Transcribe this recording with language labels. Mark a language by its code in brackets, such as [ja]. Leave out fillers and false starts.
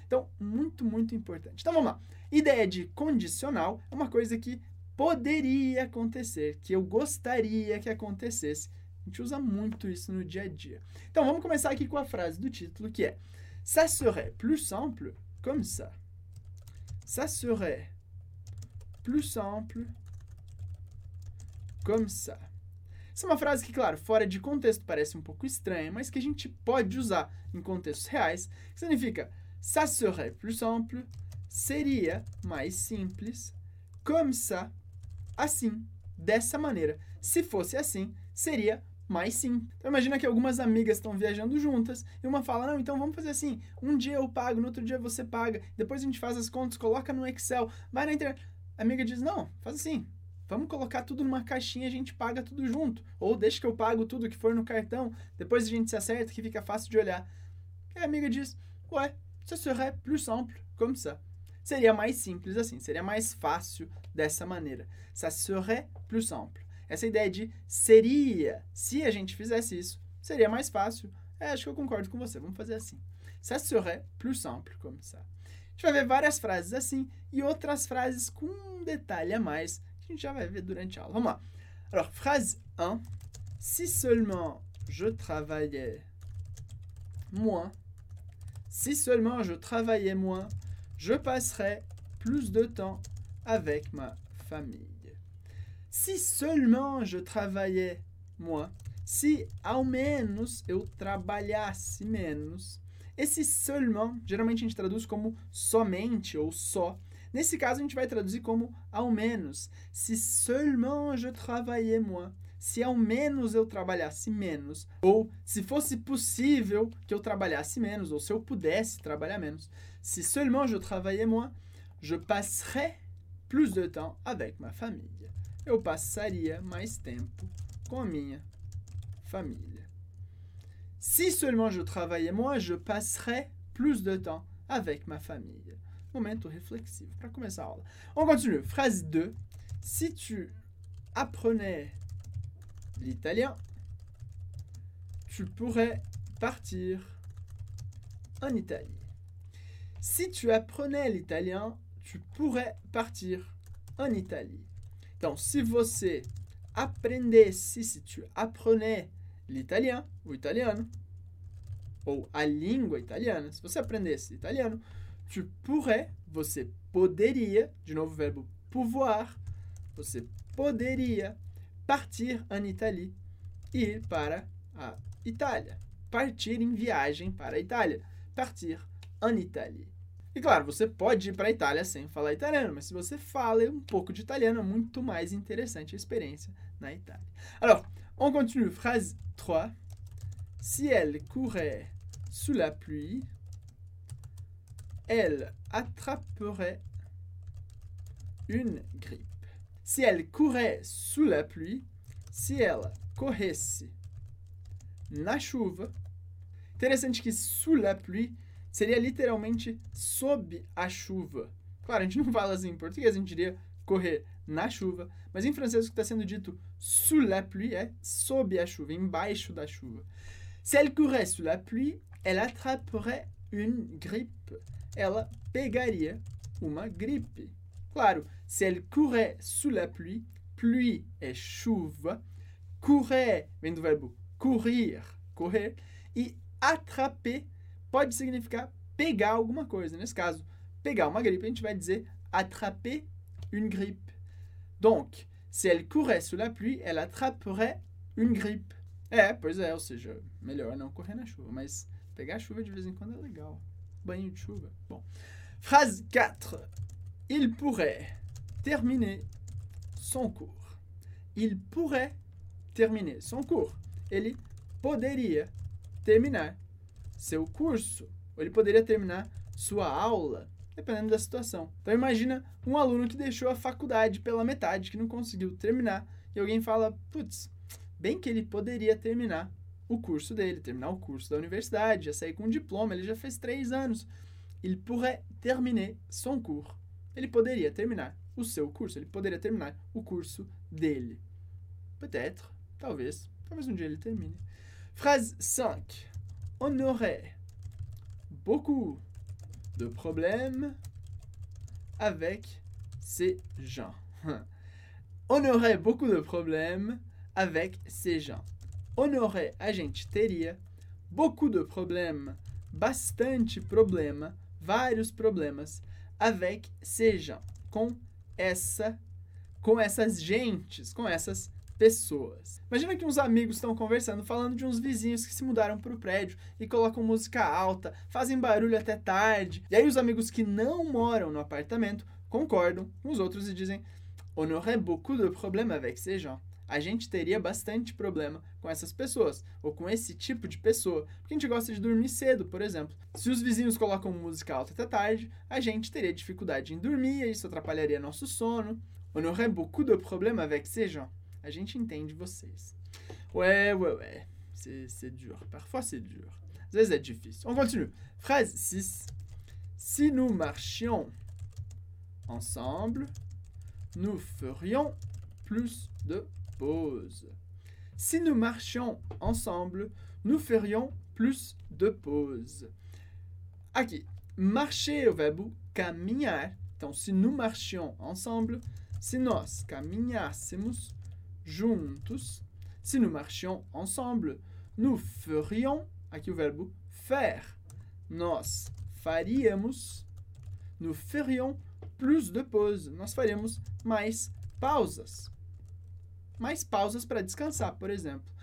[pt] Então, muito, muito importante. Então, vamos lá. Ideia de condicional é uma coisa que poderia acontecer, que eu gostaria que acontecesse. A gente usa muito isso no dia a dia. Então, vamos começar aqui com a frase do título, que é [fr] Ça serait plus simple comme ça. Ça serait plus simple comme ça. [pt] Essa é uma frase que, claro, fora de contexto parece um pouco estranha, mas que a gente pode usar em contextos reais. Que significa, [fr] ça serait plus simple, [pt] seria mais simples, [fr] comme ça, [pt] assim, dessa maneira. Se fosse assim, seria mais simples. Então imagina que algumas amigas estão viajando juntas e uma fala, não, então vamos fazer assim, um dia eu pago, no outro dia você paga, depois a gente faz as contas, coloca no Excel, vai na internet. A amiga diz, não, faz assim. Vamos colocar tudo numa caixinha e a gente paga tudo junto. Ou deixa que eu pago tudo que for no cartão, depois a gente se acerta que fica fácil de olhar. E a amiga diz, ué, [fr] ça serait plus simple comme ça. [pt] Seria mais simples assim, seria mais fácil dessa maneira. [fr] Ça serait plus simple. [pt] Essa ideia de seria, se a gente fizesse isso, seria mais fácil. É, acho que eu concordo com você, vamos fazer assim. Ça serait plus simple comme ça. A gente vai ver várias frases assim e outras frases com um detalhe a mais, a gente já vai ver durante a aula. Vamos lá. [fr] Alors, phrase 1. Si seulement je travaillais moins, si seulement je travaillais moins, je passerais plus de temps avec ma famille. Si seulement je travaillais moins, [pt] si ao menos eu trabalhasse menos, esse seulement, geralmente a gente traduz como somente ou só. Nesse caso, a gente vai traduzir como ao menos. [fr] Si seulement je travaillais moins. [pt] Se ao menos eu trabalhasse menos. Ou se fosse possível que eu trabalhasse menos. Ou se eu pudesse trabalhar menos. [fr] Si seulement je travaillais moins, je passerais plus de temps avec ma famille. [pt] Eu passaria mais tempo com a minha família. [fr] Si seulement je travaillais moins, je passerais plus de temps avec ma famille. Momento réflexif pour commencer l'aula. On continue. Phrase 2. Si tu apprenais l'italien, tu pourrais partir en Italie. Si tu apprenais l'italien, tu pourrais partir en Italie. [pt] Donc, si você aprendesse, [fr] si tu apprenais l'italien [pt] ou italiano, ou a língua italiana, si você aprendesse italiano, [fr] tu pourrais, [pt] você poderia, de novo o verbo pouvoir, você poderia [fr] partir en Italie, [pt] ir para a Itália. Partir em viagem para a Itália. [fr] Partir en Italie. [pt] E claro, você pode ir para a Itália sem falar italiano, mas se você fala um pouco de italiano, é muito mais interessante a experiência na Itália. [fr] Alors, on continue, phrase 3. Si elle courait sous la pluie, elle attraperait une grippe. Si elle courait sous la pluie, si elle [pt] corresse na chuva. Interessante que [fr] sous la pluie [pt] seria literalmente sob a chuva. Claro, a gente não fala assim em português, a gente diria correr na chuva. Mas em francês o que está sendo dito [fr] sous la pluie [pt] é sob a chuva, embaixo da chuva. [fr] Si elle courait sous la pluie, elle attraperait une grippe. [pt] Ela pegaria uma gripe. Claro, [fr] si elle courait sous la pluie, [pt] pluie é chuva, courait vem do verbo courir, correr, e attraper pode significar pegar alguma coisa. Nesse caso, pegar uma gripe, a gente vai dizer [fr] attraper une grippe. Donc, si elle courait sous la pluie, elle attraperait une grippe. [pt] É, pois é, ou seja, melhor não correr na chuva, mas pegar a chuva de vez em quando é legal. Banho de chuva. [fr] Bon. Phrase 4. Il pourrait terminer son cours. Il pourrait terminer son cours. [pt] Ele poderia terminar seu curso. Ou ele poderia terminar sua aula, dependendo da situação. Então imagina um aluno que deixou a faculdade pela metade, que não conseguiu terminar, e alguém fala, putz, bem que ele poderia terminar o curso dele, terminar o curso da universidade, já sair com um diploma, ele já fez 3 anos. [fr] Il pourrait terminer son cours. [pt] Ele poderia terminar o seu curso, ele poderia terminar o curso dele. [fr] Peut-être, [pt] talvez, talvez um dia ele termine. [fr] Phrase 5. On aurait beaucoup de problèmes avec ces gens. On aurait beaucoup de problèmes avec ces gens. On aurait, [pt] a gente teria, [fr] beaucoup de problèmes, [pt] bastante problema, vários problemas, [fr] avec ces gens, [pt] com essas gentes, com essas pessoas. Imagina que uns amigos estão conversando, falando de uns vizinhos que se mudaram pro prédio e colocam música alta, fazem barulho até tarde. E aí os amigos que não moram no apartamento concordam com os outros e dizem: [fr] On aurait beaucoup de problèmes avec ces gens. [pt] A gente teria bastante problema com essas pessoas, ou com esse tipo de pessoa, porque a gente gosta de dormir cedo, por exemplo. Se os vizinhos colocam música alta até tarde, a gente teria dificuldade em dormir, e isso atrapalharia nosso sono. [fr] On aurait beaucoup de problèmes avec ces gens. [pt] A gente entende vocês. [fr] Ouais. C'est dur. Parfois c'est dur. [pt] Às vezes é difícil. [fr] On continue. Phrase 6. Si nous marchions ensemble, nous ferions plus de pauses. Si nous marchions ensemble, nous ferions plus de pauses. [pt] Aqui. Marcher é o verbo caminhar. Então, se [fr] nous marchions ensemble, [pt] se nós caminhássemos juntos, se nous marchions ensemble, nous ferions, aqui o verbo faire, nós faríamos, [fr] nous ferions plus de pauses, [pt] nós faríamos mais pausas para descansar, por exemplo.